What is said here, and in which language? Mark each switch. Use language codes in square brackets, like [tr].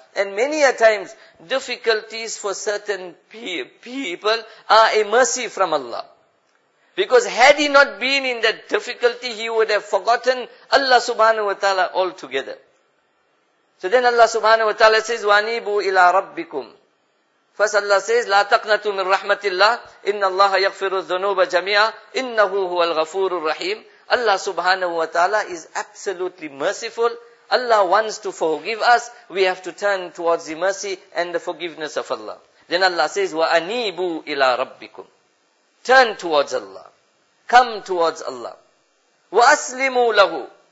[en] And many a times, difficulties for certain people are a mercy from Allah. Because had he not been in that difficulty, he would have forgotten Allah subhanahu wa ta'ala altogether. So then Allah subhanahu wa ta'ala says, [ar] وَأَنِيبُوا إِلَىٰ رَبِّكُمْ. [en] First Allah says, [ar] لَا تَقْنَتُوا مِنْ رَحْمَةِ اللَّهِ إِنَّ اللَّهَ يَغْفِرُ الذُّنُوبَ جَمِيعًا إِنَّهُ هُوَ الْغَفُورُ الرَّحِيمُ. [en] Allah subhanahu wa ta'ala is absolutely merciful. Allah wants to forgive us. We have to turn towards the mercy and the forgiveness of Allah. Then Allah says, [ar] وَأَنِيبُوا إِلَىٰ رَبِّكُمْ. [en] Turn towards Allah. Come towards Allah. [ar] وَأَسْلِمُوا لَهُ.